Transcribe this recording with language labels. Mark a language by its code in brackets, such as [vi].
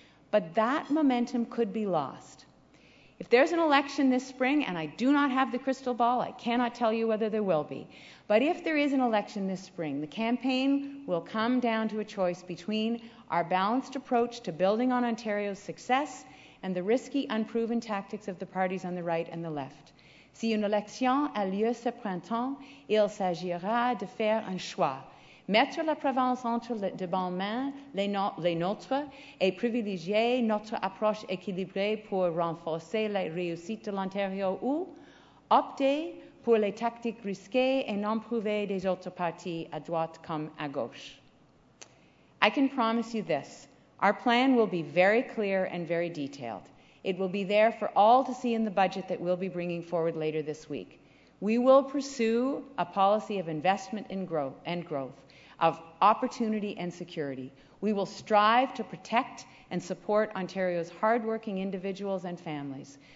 [en] But that momentum could be lost. If there's an election this spring, and I do not have the crystal ball, I cannot tell you whether there will be, but if there is an election this spring, the campaign will come down to a choice between our balanced approach to building on Ontario's success and the risky, unproven tactics of the parties on the right and the left. [fr] Si une élection a lieu ce printemps, il s'agira de faire un choix. Mettre la province entre de bonnes mains, les nôtres, et privilégier notre approche équilibrée pour renforcer la réussite de l'Ontario ou opter pour les tactiques risquées et non prouvées des autres partis à droite comme à gauche. [en] I can promise you this. Our plan will be very clear and very detailed. It will be there for all to see in the budget that we'll be bringing forward later this week. We will pursue a policy of investment in growth, of opportunity and security. We will strive to protect and support Ontario's hardworking individuals and families.